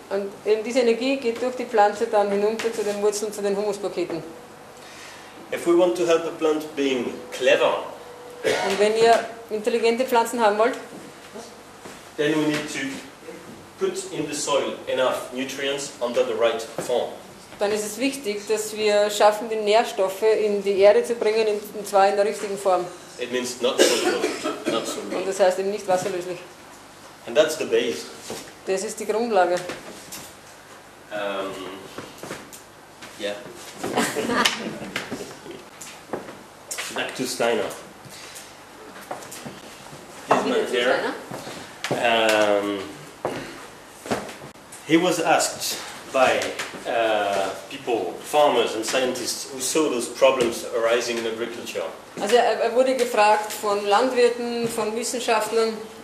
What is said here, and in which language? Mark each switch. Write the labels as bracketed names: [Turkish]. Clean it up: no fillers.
[German] Und eben diese Energie geht durch die Pflanze dann hinunter zu den Wurzeln, zu den Humuspaketen. [English] If we want to help a plant being clever. [German] Und wenn ihr intelligente Pflanzen haben wollt, [English] then we need to put in the soil enough nutrients under the right form. [German] Dann ist es wichtig, dass wir schaffen, die Nährstoffe in die Erde zu bringen, und zwar in der richtigen Form. [English] It means not soluble, not soluble. [German] Und das heißt eben nicht wasserlöslich. [English] And that's the base. [German] Das ist die Grundlage. [English] Yeah. Back to Steiner. This man here. He was asked by people, farmers and scientists who saw those problems arising in agriculture. [German] Also er wurde gefragt von Landwirten, von Wissenschaftlern.